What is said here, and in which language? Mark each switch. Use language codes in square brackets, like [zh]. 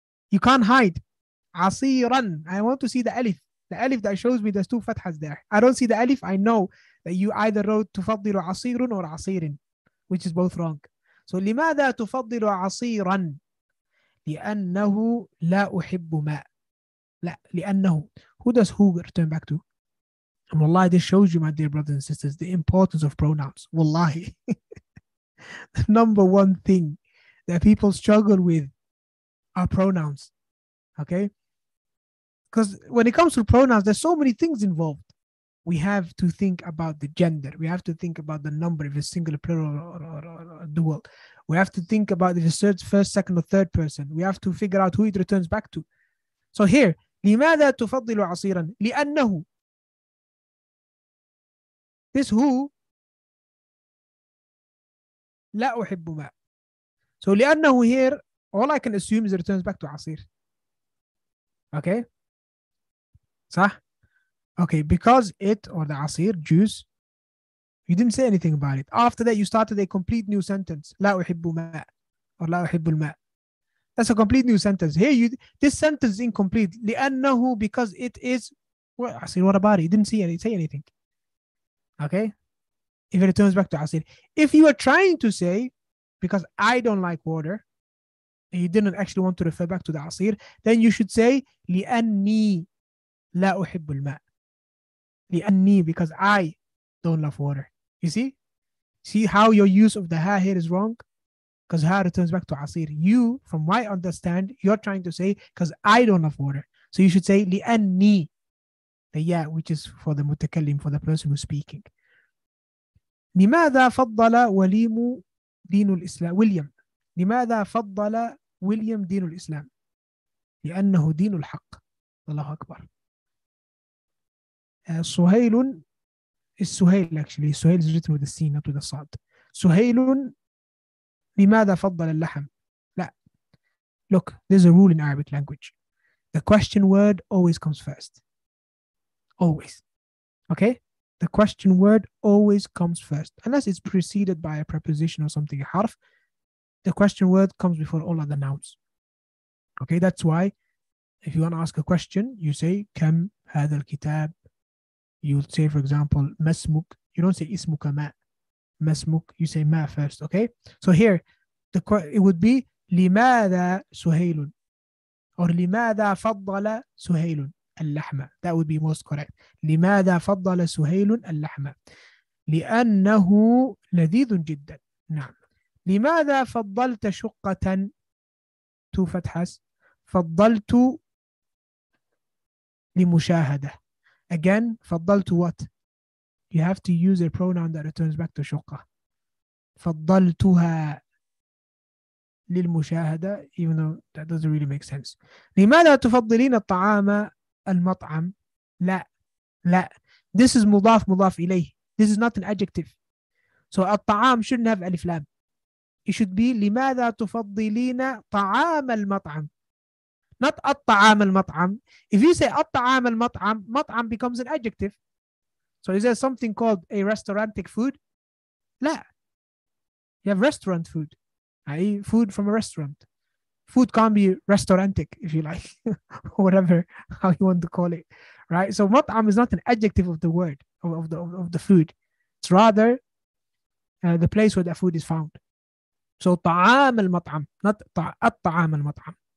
[en] You can't hide. عصيراً. I want to see the alif. The alif that shows me there's two fathas there. I don't see the alif. I know that you either wrote [ar] تفضل عصير [en] or عصير, which is both wrong. [ar] So لماذا تفضل عصيراً؟ لأنه لا أحب ماء. لا, لأنه. [en] Who does who return back to? And wallahi, this shows you, my dear brothers and sisters, the importance of pronouns. Wallahi. The number one thing that people struggle with are pronouns, okay? Because when it comes to pronouns, there's so many things involved. We have to think about the gender. We have to think about the number, if it's singular, plural, or dual. We have to think about if it's first, second, or third person. We have to figure out who it returns back to. So here, [ar] لماذا تفضل عصيرا؟ لأنه. [en] This who, [ar] لا أحب ما. [en] So لأنه here, all I can assume is it returns back to عصير. Okay? صح? Okay, because it or the عصير, juice, you didn't say anything about it. After that, you started a complete new sentence. [ar] لا أحب ماء. Or لا أحب الماء. [en] That's a complete new sentence. Here, this sentence is incomplete. لأنه, because it is, well, عصير, what about it? You didn't say anything. Okay? If it returns back to عصير. If you are trying to say, because I don't like water, and you didn't actually want to refer back to the عصير, then you should say [ar] لأني لا أحب الماء. [en] لأني, because I don't love water. You see? See how your use of the ها here is wrong? Because ها returns back to عصير. You, from my understand, you're trying to say because I don't love water. So you should say لأني. The ya, which is for the متكلم, for the person who's speaking. [ar] لماذا فضل وليم دين الإسلام William. لماذا فضل ويليام دين الإسلام؟ لأنه دين الحق. الله أكبر. سهيل السهيل [en] actually. سهيل is written with the سين not with the صاد. [ar] سهيل لماذا فضل اللحم؟ لا. [en] Look, there's a rule in Arabic language. The question word always comes first. Always. Okay? The question word always comes first. Unless it's preceded by a preposition or something, a harf. The question word comes before all other nouns. Okay, that's why if you want to ask a question, you say [ar] كم هذا الكتاب. [en] You'll say, for example, [ar] ما اسمك. [en] You don't say [ar] اسمك ما. ما اسمك. [en] You say ما first. Okay. So here, it would be [ar] لماذا سهيل [en] or [ar] لماذا فضل سهيل اللحمة. [en] That would be most correct. [ar] لماذا فضل سهيل اللحمة. لأنه لذيذ جدا. نعم. لماذا فضلت شقة تو فتحس فضلت لمشاهدة. [en] Again, فضلت what? You have to use a pronoun that returns back to شقة. [ar] فضلتها للمشاهدة, [en] even though that doesn't really make sense. [ar] لماذا تفضلين الطعام المطعم؟ لا. لا. [en] This is [ar] مضاف مضاف إليه. [en] This is not an adjective. So الطعام shouldn't have ألف لام. It should be [ar] لماذا تفضلين طعام المطعم؟ Not الطعام المطعم. [en] If you say [ar] الطعام المطعم, [en] مطعم becomes an adjective. So is there something called a restaurantic food? [ar] لا. [en] You have restaurant food. I.e. food from a restaurant. Food can't be restaurantic, if you like. Whatever, how you want to call it. Right? So مطعم is not an adjective of the word, of the food. It's rather the place where that food is found. [ar] So طعام المطعم, not الطعام المطعم.